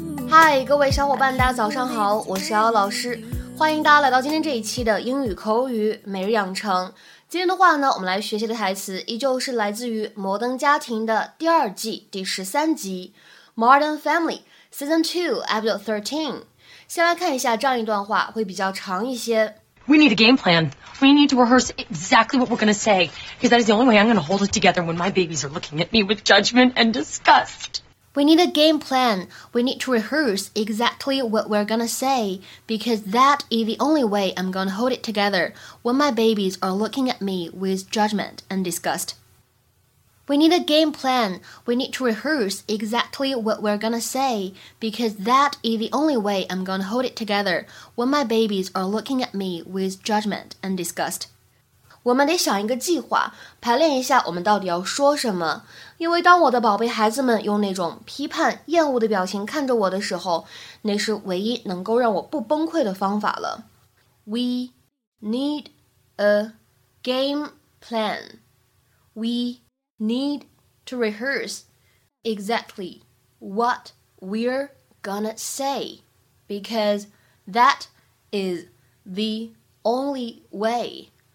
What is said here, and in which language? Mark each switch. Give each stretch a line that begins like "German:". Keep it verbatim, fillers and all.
Chinese: 嗨，各位小伙伴，大家早上好，我是姚老师，欢迎大家来到今天这一期的英语口语每日养成。今天的话呢，我们来学习的台词依旧是来自于《摩登家庭》的第二季第十三集，《Modern Family Season Two Episode Thirteen》。先来看一下这样一段话，会比较长一些。
English: We need a game plan. We need to rehearse exactly what we're going to say, because that is the only way I'm going to hold it together when my babies are looking at me with judgment and disgust. We need a game plan. We need to rehearse exactly what we're gonna say, because that is the only way I'm gonna hold it together when my babies are looking at me with judgment and disgust. We need a game plan. We need to rehearse exactly what we're gonna say, because that is the only way I'm gonna hold it together when my babies are looking at me with judgment and disgust.
Chinese: 我们得想一个计划，排练一下我们到底要说什么。因为当我的宝贝孩子们用那种批判、厌恶的表情看着我的时候，那是唯一能够让我不崩溃的方法了。
English: We need a game plan. We need to rehearse exactly what we're gonna say, because that is the only way.